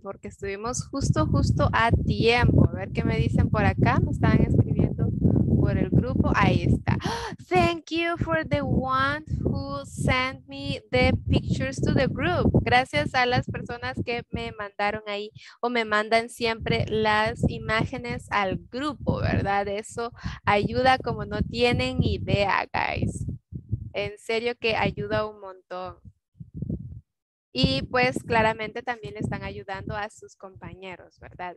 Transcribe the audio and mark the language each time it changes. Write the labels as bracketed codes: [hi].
[es] Porque estuvimos justo a tiempo. A ver qué me dicen por acá. Me estaban escribiendo por el grupo. Ahí está. [en] Thank you for the one who sent me the pictures to the group. [es] Gracias a las personas que me mandaron ahí o me mandan siempre las imágenes al grupo, ¿verdad? Eso ayuda como no tienen idea, guys. En serio que ayuda un montón. Y pues claramente también están ayudando a sus compañeros, ¿verdad?